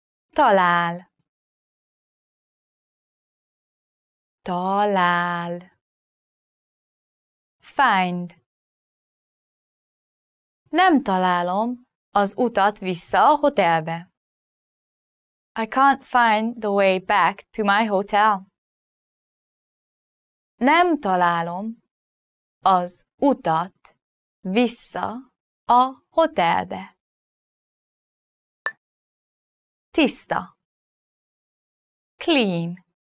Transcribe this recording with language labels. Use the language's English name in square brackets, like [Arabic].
[Hungarian] Talál. Talál. [English] Find. [Hungarian] Nem találom az utat vissza a hotelbe. [English] I can't find the way back to my hotel. [Hungarian] Nem találom az utat vissza a hotelbe. Tiszta. [English] Clean.